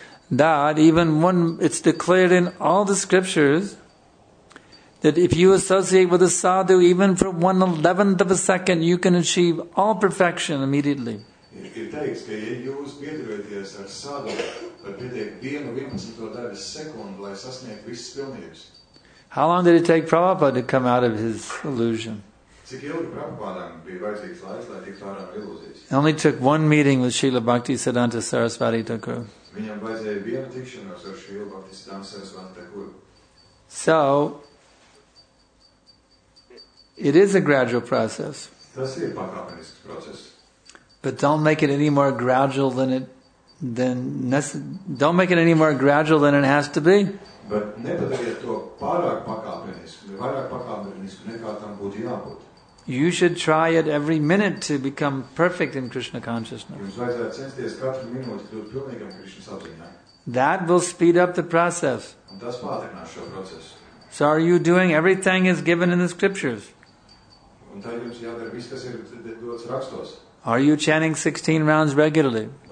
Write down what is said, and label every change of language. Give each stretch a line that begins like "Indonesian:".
English: That even one, it's declared in all the scriptures, that if you associate with a sadhu, even for 1/11th of a second, you can achieve all perfection immediately. It takes,
Latvian: ka, ja jūs piedarbojaties ar sadhu, tad pietiek 1/11 sekundi, lai sasniegt visas pilnības.
English: How long did it take Prabhupada to come out of his illusion?
Latvian: Cik ilgi Prabhupādam bija vajadzīgs laiks, lai tiktu ārā no ilūzijas?
English: It only took one meeting with Srila Bhakti Siddhanta Sarasvati Thakur.
Latvian: Viņam vajadzēja vienu tikšanos ar Srila Bhakti Siddhanta Sarasvati Thakur.
English: So, it is a gradual process.
Latvian: Tas ir pakāpenisks process.
English: But don't make it any more gradual than it don't make it any more gradual than it has to be. But
Latvian: nepadariet to pārāk pakāpenisku, vairāk pakāpenisku nekā tam būtu jābūt.
English: You should try it every minute to become perfect in Krishna consciousness.
Latvian: Jums vajadzētu censties katru minūti kļūt pilnīgam Krishna sapziņā.
English: That will speed up the process.
Latvian: Un tas pātrinās šo procesu.
English: So are you doing everything is given in the scriptures?
Latvian: Un tā jums jādara viss, kas ir dots rakstos.
English: Are you chanting 16 rounds regularly?